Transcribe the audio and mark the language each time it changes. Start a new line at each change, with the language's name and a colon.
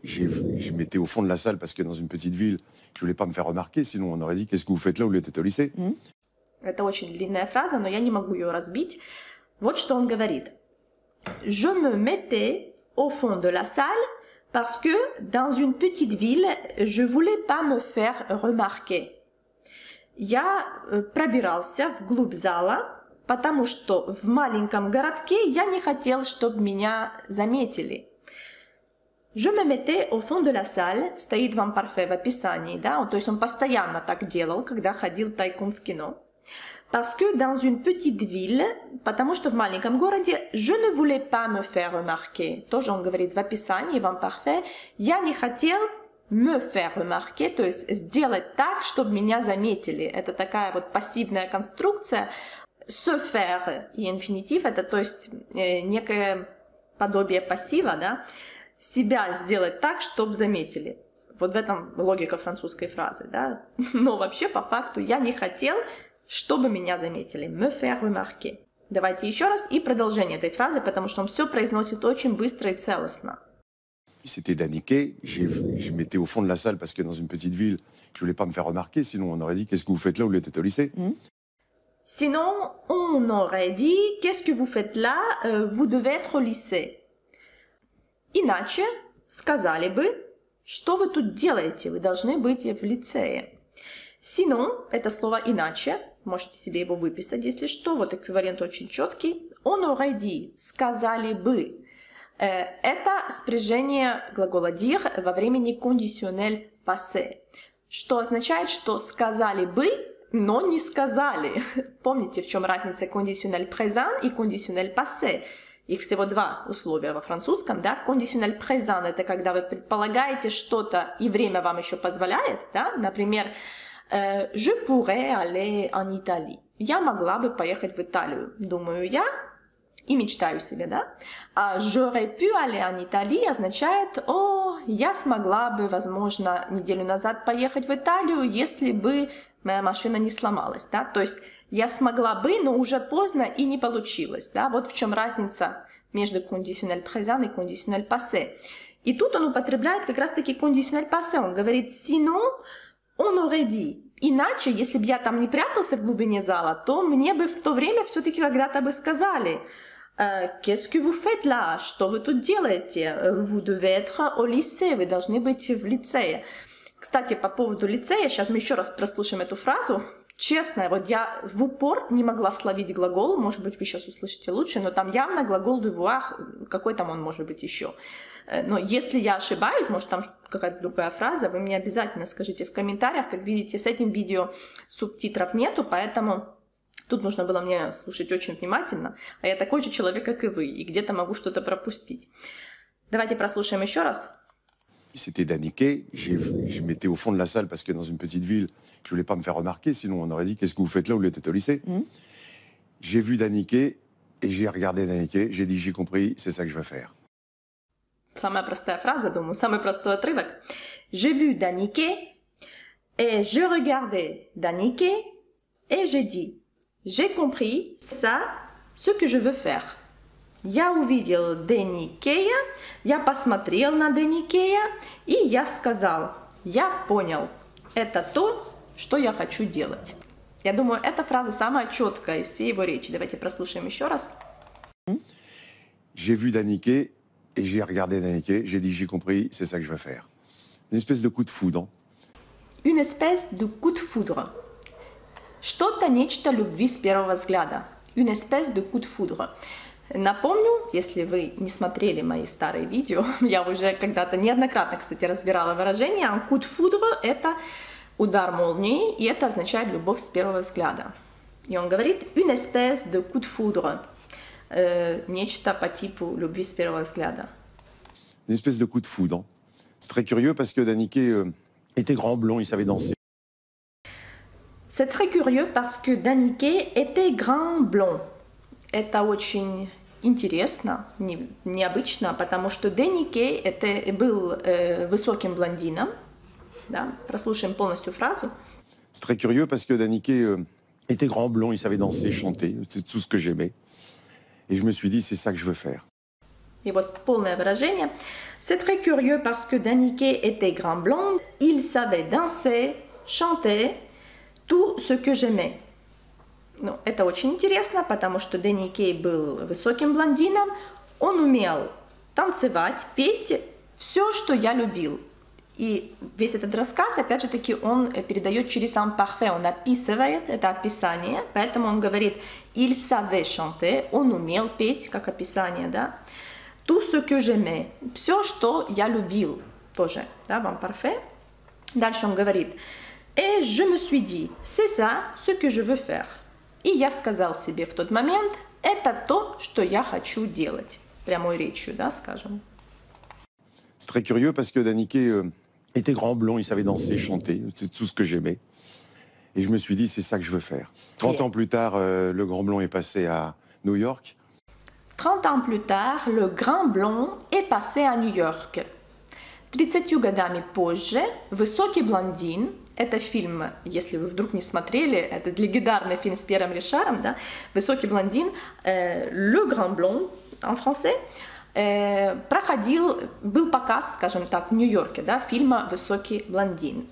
French: Je m'étais au fond de la salle parce que dans une petite ville, je ne voulais pas me faire remarquer. Sinon, on aurait dit, qu'est-ce que vous faites là au lieu d'être au lycée?
Russian: Это очень длинная фраза, но я не могу ее разбить. Вот что он говорит.
French: Je me mettais au fond de la salle parce que dans une petite ville, je ne voulais pas me faire remarquer.
Russian: Я пробирался вглубь зала, потому что в маленьком городке я не хотел, чтобы меня заметили.
French: Je me mettais au fond de la salle,
Russian: стоит вам парфе в описании, да? То есть он постоянно так делал, когда ходил тайком в кино.
French: Parce que dans une petite ville,
Russian: потому что в маленьком городе,
French: je ne voulais pas me faire remarquer.
Russian: Тоже он говорит в описании, вам парфе, я не хотел...
French: Me faire remarquer,
Russian: то есть сделать так, чтобы меня заметили. Это такая вот пассивная конструкция. Se faire и инфинитив, это то есть некое подобие пассива, да? Себя сделать так, чтобы заметили. Вот в этом логика французской фразы, да? Но вообще по факту я не хотел, чтобы меня заметили.
French: Me faire remarquer.
Russian: Давайте еще раз и продолжение этой фразы, потому что он все произносит очень быстро и целостно.
French: C'était Дэнни Кей, je m'étais au fond de la salle parce que dans une petite ville, je ne voulais pas me faire remarquer, sinon on aurait dit, qu'est-ce que vous faites là au lieu d'être au lycée? Sinon, on aurait dit, qu'est-ce que vous faites là, vous devez être au lycée.
Russian: Иначе, сказали бы, что вы тут делаете, вы должны быть в лицее. Sinon, это слово иначе, можете себе его выписать, если что, вот эквивалент очень четкий.
French: On aurait dit,
Russian: сказали бы. Это спряжение глагола dire во времени conditionnel passé, что означает, что сказали бы, но не сказали. Помните, в чем разница conditionnel présent и conditionnel passé? Их всего два условия во французском, да? Conditionnel présent – это когда вы предполагаете что-то, и время вам еще позволяет, да?
French: Например, «Je pourrais aller en Italie».
Russian: «Я могла бы поехать в Италию», думаю я. И мечтаю себе, да? А
French: «j'aurais pu aller en Italie»
Russian: означает «О, я смогла бы, возможно, неделю назад поехать в Италию, если бы моя машина не сломалась», да? То есть «я смогла бы, но уже поздно и не получилось», да? Вот в чем разница между «conditionnel présent» и «conditionnel passé». И тут он употребляет как раз-таки «conditionnel passé». Он говорит
French: «sinon on aurait dit».
Russian: Иначе, если бы я там не прятался в глубине зала, то мне бы в то время все-таки когда-то бы сказали
French: «Qu'est-ce que vous faites là?
Russian: Что вы тут делаете?
French: Vous devez être au lycée.
Russian: Вы должны быть в лицее». Кстати, по поводу лицея, сейчас мы еще раз прослушаем эту фразу. Честно, вот я в упор не могла словить глагол, может быть, вы сейчас услышите лучше, но там явно глагол «devoir», какой там он может быть еще. Но если я ошибаюсь, может, там какая-то другая фраза, вы мне обязательно скажите в комментариях. Как видите, с этим видео субтитров нету, поэтому Тут нужно было меня слушать очень внимательно, а я такой же человек, как и вы, и где-то могу что-то пропустить. Давайте прослушаем еще раз.
French: C'était Danique, je m'étais au fond de la salle parce que dans une petite ville, je ne voulais pas me faire remarquer, sinon on aurait dit qu'est-ce que vous faites là où vous êtes au lycée. J'ai vu Danique et j'ai regardé Danique, j'ai dit j'ai compris, c'est ça que je veux faire.
Russian: Самая простая фраза, думаю, самый простой отрывок.
French: J'ai vu Danique et je regardais Danique et j'ai dit j'ai compris, c'est ça ce que je veux faire.
Russian: Я увидел Деникея, я посмотрел на Деникея, и я сказал, я понял, это то, что я хочу делать. Я думаю, эта фраза самая четкая из всей его речи. Давайте прослушаем еще раз.
French: J'ai vu Danique, et j'ai regardé Danique, j'ai dit, j'ai compris, c'est ça que je veux faire. Une espèce de coup de foudre. Une espèce de coup de foudre.
Russian: Что-то нечто любви с первого взгляда.
French: Une espèce de coup de foudre.
Russian: Напомню, если вы не смотрели мои старые видео, я уже когда-то неоднократно, кстати, разбирала выражение. Coup de foudre – это удар молнии, и это означает любовь с первого взгляда. И он говорит
French: «une espèce de coup de foudre»
Russian: – нечто по типу любви с первого взгляда.
French: Une espèce de coup de foudre. C'est très curieux, parce que Danique était grand blond, il savait danser. C'est très curieux, parce que Danique était grand blond.
Russian: Это очень интересно, необычно, потому что Деникей это был высоким блондином. Да? Прослушаем полностью фразу.
French: C'est très curieux parce que Danique était grand blond, il savait danser, chanter, c'est tout ce que j'aimais. Et je me suis dit, c'est ça que je veux faire.
Russian: И вот полное выражение.
French: C'est très curieux parce que Danique était grand blond, il savait danser, chanter, tout ce que j'aimais.
Russian: Ну, это очень интересно, потому что Дэнни Кей был высоким блондином. Он умел танцевать, петь, все, что я любил. И весь этот рассказ, опять же таки, он передает через сам парфей. Он описывает это описание, поэтому он говорит
French: «il savait chanter»,
Russian: он умел петь, как описание, да.
French: «Tout ce que j'aimais»,
Russian: все, что я любил, тоже, да, вам парфей. Дальше он говорит
French: «et je me suis dit, c'est ça, ce que je veux faire».
Russian: И я сказал себе в тот момент, это то, что я хочу делать. Прямой речью, да, скажем.
French: C'est très curieux parce que Danique était grand blond, il savait danser, chanter, c'est tout ce que j'aimais. Et je me suis dit, c'est ça que je veux faire. 30 ans plus tard, le grand blond est passé à New York. 30 ans plus tard, le grand blond est passé à New York.
Russian: 30 годами позже, высокий блондин. Это фильм, если вы вдруг не смотрели, это легендарный фильм с Пьером Ришаром, да? «Высокий блондин», «Le Grand Blond»
French: en français,
Russian: проходил, был показ, скажем так, в Нью-Йорке, да, фильма «Высокий блондин».